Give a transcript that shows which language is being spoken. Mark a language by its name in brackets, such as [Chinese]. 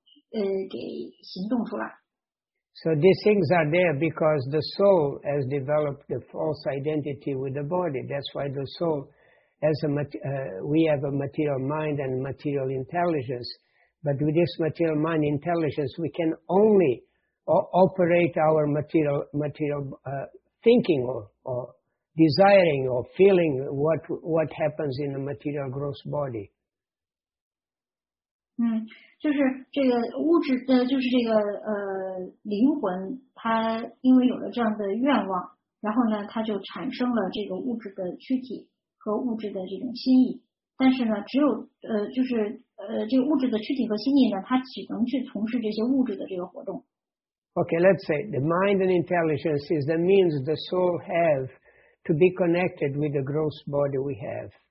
[Chinese] 那然后呢，在这个心意里面呢，就产生了欲望，然后呢，我们的这个身体呢，又通过这个感官把这个欲望给行动出来。So [English] these things are there because the soul has developed the false identity with the body. That's why the soul has we have a material mind and material intelligence. But with this material mind intelligence, we can only operate our material thinking or desiring or feeling what happens in the material gross body. [Chinese] 嗯，就是这个物质的，就是这个灵魂，它因为有了这样的愿望，然后呢，它就产生了这个物质的躯体和物质的这种心意，但是呢，只有就是。这个物质的躯体和心意呢，它只能去从事这些物质的这个活动。Okay, [English] let's say the mind and intelligence is the means the soul have to be connected with the gross body we have.